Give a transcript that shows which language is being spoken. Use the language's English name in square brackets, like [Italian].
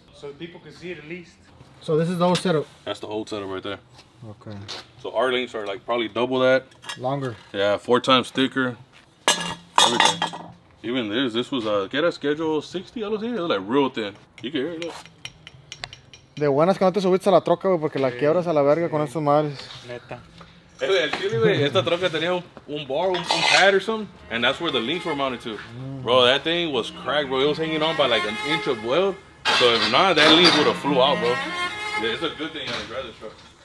[English] So people can see it at least. So this is the whole setup. That's the whole setup right there. Okay. So our links are like probably double that. Longer. Yeah, 4 times thicker. Everything. Even this was a get a schedule 60, I don't think. It was like real thin. You can hear it. [Spanish] De buenas que no te subiste a la troca, porque la quiebras a la verga con estos madres. Neta. Esta troca tenía un bar, un [English] pad or something, and that's where the links were mounted to. Bro, that thing was cracked, bro. It was hanging on by like an inch of weld. So if not, that link would have flew out, bro. Yeah, it's a good thing on a driver's truck.